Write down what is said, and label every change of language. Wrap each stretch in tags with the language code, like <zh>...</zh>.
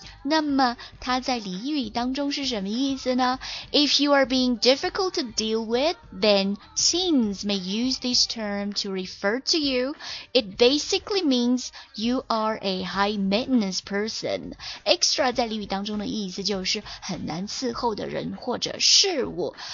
<zh>那么它在俚语当中是什么意思呢？</zh> <en>If you are being difficult to deal with, then teens may use this term to refer to you. It basically means you are a high maintenance person.</en> <zh>Extra 在俚语当中的意思就是很难伺候的人或者事物。</zh>